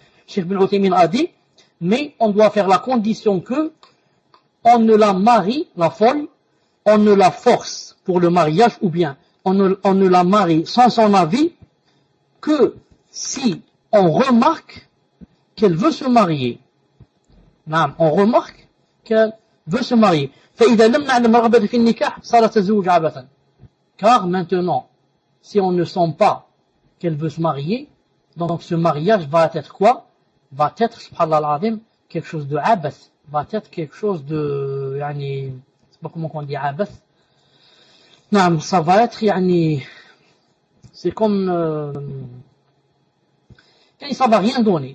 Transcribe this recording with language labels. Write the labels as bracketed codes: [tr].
[fr] Cheikh Ibn Uthaymin a dit, mais on doit faire la condition que on ne la marie la folle, on ne la force pour le mariage ou bien on ne la marie sans son avis que si on remarque qu'elle veut se marier. Naam, on remarque qu'elle veut se marier. [ar] فإذا لم نعلم رغبة في النكاح صارت تزوج عبثا. [fr] Car maintenant, si on ne sent pas qu'elle veut se marier, donc ce mariage va être quoi? Va être, [ar] subhanallah al-azim, [fr] quelque chose de abath. Va être quelque chose de, yani, c'est pas comment on dit abath. Non, ça va être, yani, c'est comme, yani, ça va rien donner.